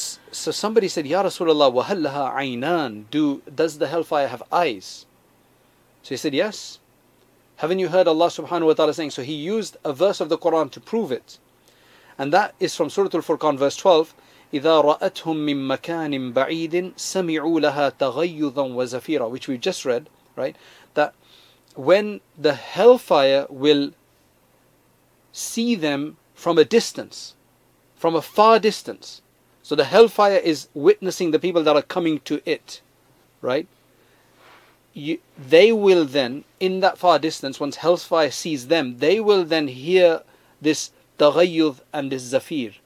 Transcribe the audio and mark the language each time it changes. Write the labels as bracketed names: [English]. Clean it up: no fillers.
[English] So somebody said, Ya Rasulullah, [Arabic] wa hal laha aynan? [English] Does the hellfire have eyes? So he said, yes. Haven't you heard Allah subhanahu wa ta'ala saying? So he used a verse of the Quran to prove it. And that is from Surah Al-Furqan, verse 12. [Arabic] إِذَا رَأَتْهُمْ مِنْ مَكَانٍ بَعِيدٍ سَمِعُوا لَهَا تَغَيُّذًا وَزَفِيرًا, [English] which we've just read, right? That when the hellfire will see them from a distance, from a far distance. So the hellfire is witnessing the people that are coming to it, right? They will then, in that far distance, once hellfire sees them, they will then hear this تَغَيُّذ and this zafir.